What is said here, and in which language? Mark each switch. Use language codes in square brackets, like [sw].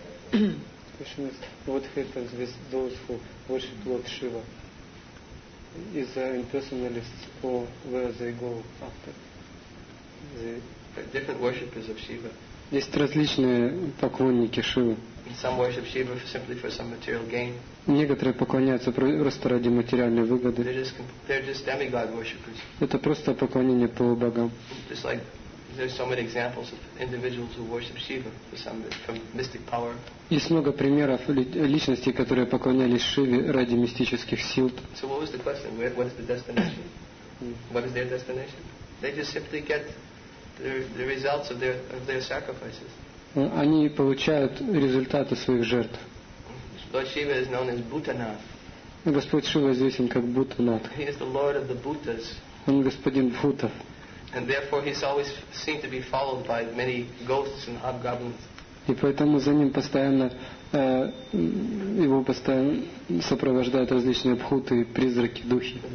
[en] Question is, what happens with those who worship Lord Shiva? Is there impersonalists or where they go after? Different worshippers of Shiva. [ru] Есть различные поклонники Шивы. [en] Some worship Shiva simply for some material gain. [ru] Некоторые поклоняются просто ради материальной выгоды. [en] They're just demigod worshippers. [ru] Это просто поклонение полубогам. [en] Just like there's so many examples of individuals who worship Shiva for some from mystic power. [ru] Есть много примеров личностей, которые поклонялись Шиве ради мистических сил. [en] So what was the question? What is the destination? What is their destination? They just simply get the results of their sacrifices. [ru] Они получают результаты своих жертв. [en] Lord Shiva is known as Bhutanath. [ru] Господь Шива известен как Бхутанат. [en] He is the Lord of the Bhutas. [ru] Он господин Бхутов. [en] And therefore he's always seen to be followed by many ghosts and hobgoblins. [ru] И поэтому за ним постоянно его постоянно сопровождают различные бхуты, призраки, духи.